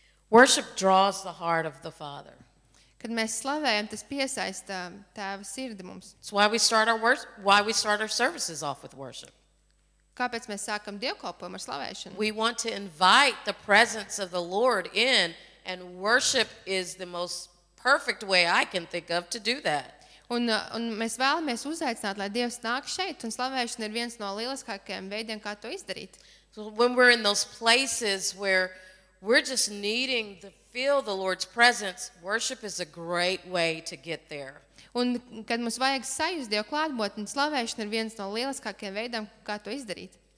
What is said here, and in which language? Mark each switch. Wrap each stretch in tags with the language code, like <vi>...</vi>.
<en>Worship draws the heart of the Father.</en> <lv>Kad mēs slavējam, tas piesaista tēva sirdi mums.</lv> <en>It's why we start our services off with worship.</en> <lv>Kāpēc mēs sākam dievkalpojumu ar slavēšanu?</lv> <en>We want to invite the presence of the Lord in, and worship is the most perfect way I can think of to do that.</en> <lv>Un mēs vēlamies uzaicināt, lai Dievs nāk šeit, un slavēšana ir viens no lieliskākajiem veidiem, kā to izdarīt.</lv> <en>So when we're in those places where we're just needing to feel the Lord's presence, worship is a great way to get there.</en> <lv>Un kad mums vajag sajust Dieva klātbūtni, slavēšana ir viens no lieliskākajiem veidiem, kā to izdarīt.</lv>